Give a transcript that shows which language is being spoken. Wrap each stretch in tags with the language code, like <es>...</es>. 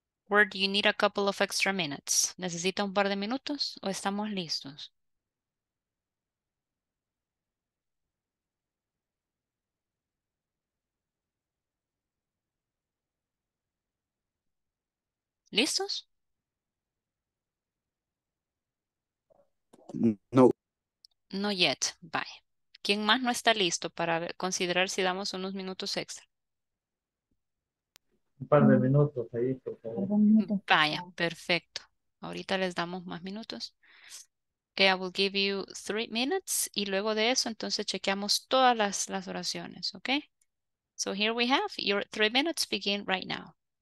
<en>Or do you need a couple of extra minutes?</en> <es>¿Necesita un par de minutos o estamos listos? ¿Listos? No.</es> <en>No yet. Bye.</en> <es>¿Quién más no está listo para considerar si damos unos minutos extra? Un par de minutos ahí, por favor. Vaya, perfecto. Ahorita les damos más minutos.</es> <en>Okay, I will give you 3 minutes.</en> <es>Y luego de eso, entonces chequeamos todas las oraciones, okay?</es> <en>So here we have your 3 minutes begin right now.</en>